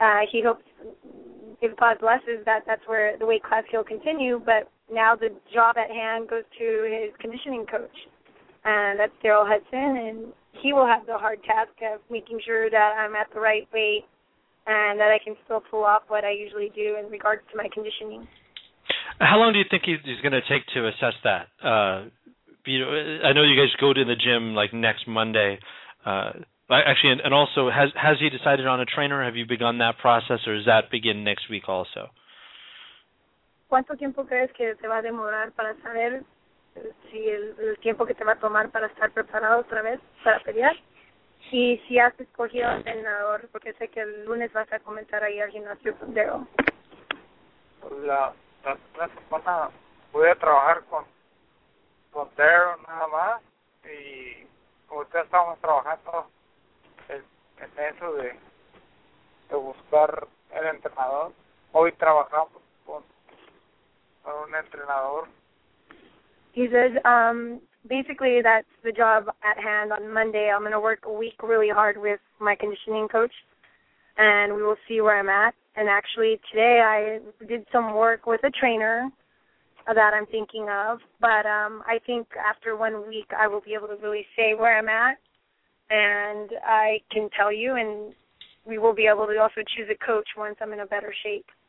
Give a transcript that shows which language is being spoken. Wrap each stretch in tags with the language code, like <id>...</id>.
<en>He hopes, if God blesses, that's where the weight class he'll continue, but now the job at hand goes to his conditioning coach, and that's Daryl Hudson, and he will have the hard task of making sure that I'm at the right weight and that I can still pull off what I usually do in regards to my conditioning. How long do you think he's going to take to assess that? You know, I know you guys go to the gym like next Monday. Actually, also, has he decided on a trainer? Have you begun that process, or does that begin next week also?</en> <es>¿Cuánto tiempo crees que te va a demorar para saber si el tiempo que te va a tomar para estar preparado otra vez para pelear? Y si has escogido un entrenador, porque sé que el lunes vas a comenzar ahí al gimnasio con Daryl. La semana voy a trabajar con Daryl nada más, y ahorita estamos trabajando en eso de buscar el entrenador. Hoy trabajamos con un entrenador.</es> <en>He says, basically, that's the job at hand on Monday. I'm going to work a week really hard with my conditioning coach, and we will see where I'm at. And actually, today I did some work with a trainer that I'm thinking of, but I think after 1 week I will be able to really say where I'm at, and I can tell you, and we will be able to also choose a coach once I'm in a better shape.</en>